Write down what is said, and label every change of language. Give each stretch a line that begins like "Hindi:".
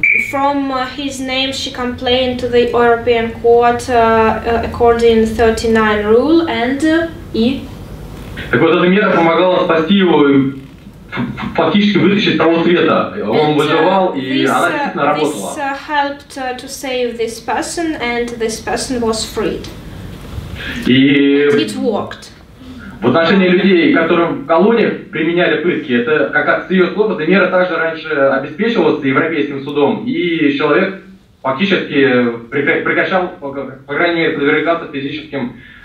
English: From his name she complained to the European court according 39 rule and...
Russian: Так вот, эта мера помогала спасти его, фактически вытащить того света. Он выживал, и она действительно работала.
English: This helped to save this person, and this person was freed.
Russian: И
English: it worked.
Russian: В отношении людей, которым в колониях применяли пытки, это, как от ее слов, эта мера также раньше обеспечивалась Европейским судом, и человек фактически прекращал, по крайней мере, подвергаться физическим...